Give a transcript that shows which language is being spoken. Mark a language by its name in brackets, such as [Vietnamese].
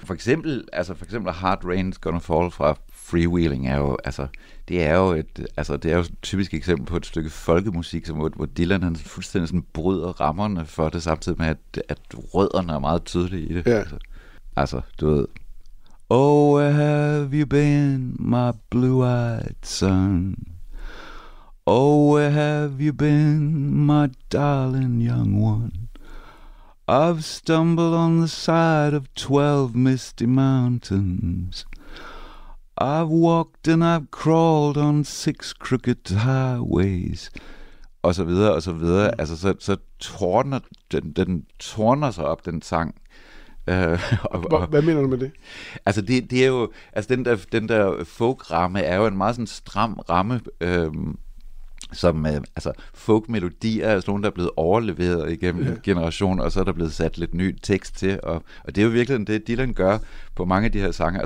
[Danish] For eksempel Hard Rain's Gonna Fall fra Freewheeling er jo, altså, det er jo et typisk eksempel på et stykke folkemusik, som, hvor Dylan han fuldstændig sådan bryder rammerne for det, samtidig med, at rødderne er meget tydelige i det. Ja. Altså, du ved, [English] oh, where have you been, my blue-eyed son? Oh, where have you been, my darling young one? I've stumbled on the side of 12 misty mountains. I've walked and I've crawled on 6 crooked highways. [Danish] Og så videre, og så videre. Altså, så tårner, den tårner sig op, den sang. Hvad mener du med det? Altså, det er jo... Altså, den der folk-ramme er jo en meget sådan stram ramme, som folkmelodier er altså nogen, der er blevet overleveret igennem generationen, og så er der blevet sat lidt ny tekst til, og det er jo virkelig det, Dylan gør på mange af de her sange.